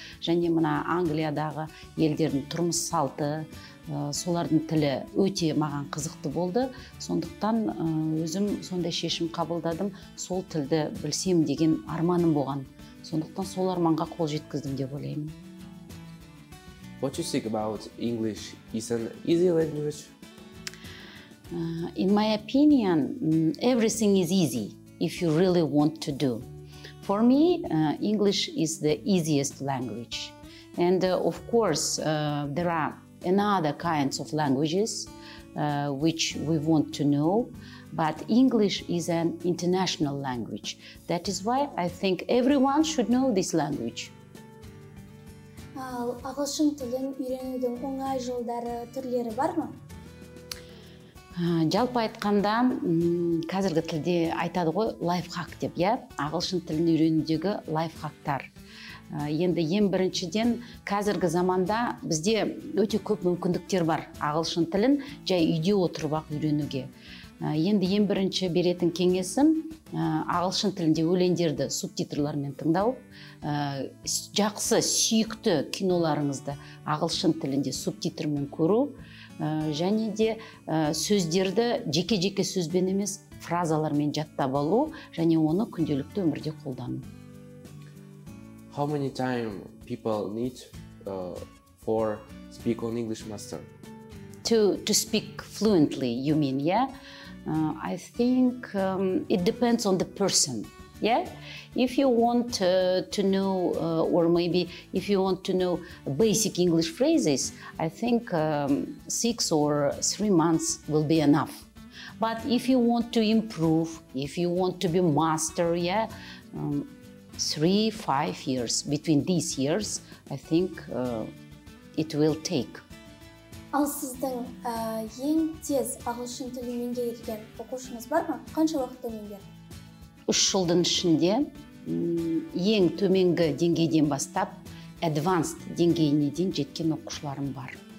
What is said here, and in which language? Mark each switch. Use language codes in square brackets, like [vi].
[kk] Және мына Англиядағы елдердің тұрмыс салты, солардың тілі өте маған қызықты болды. Сондықтан өзім сонда шешім қабылдадым, сол тілді білсем деген арманым болған. Сондықтан сол арманға қол жеткіздім деп ойлаймын. [en] What you think about English? Is an easy language? In my opinion, everything is easy if you really want to do. For me, English is the easiest language. And of course, there are another kinds of languages which we want to know, but English is an international language. That is why I think everyone should know this language. [kk] Ағылшын тілін үйренудің оңай жолдары, түрлері бар ма? Жалпы айтқанда, қазіргі тілде айтады ғой лайфхак деп, иә? Ағылшын тілін үйренудегі лайфхактар. енді ең біріншіден қазіргі заманда бізде өте көп мүмкіндіктер бар ағылшын тілін жай үйде отырып ақ үйренуге. Енді ең бірінші беретін кеңесім ағылшын тілінде өлеңдерді субтитрлармен тыңдау. Жақсы сүйікті киноларыңызды ағылшын тілінде субтитрмен көру. Және де сөздерді жеке-жеке сөзбен емес фразалармен жаттап алу, және оны күнделікті өмірде қолдану. [en] How many time people need for speak on English master? To speak fluently, you mean, yeah? I think it depends on the person, yeah? If you want to know, or maybe if you want to know basic English phrases, I think 6 or 3 months will be enough. But if you want to improve, if you want to be master, yeah, 3-5 years, between these years, I think it will take. [kk] Ал сіздің ең тез ағылшын тілін меңгерген оқушыңыз бар ма? Қанша уақытта меңгерді? 3 жылдың ішінде ең төменгі деңгейден бастап, advanced деңгейіне дейін жеткен оқушыларым бар.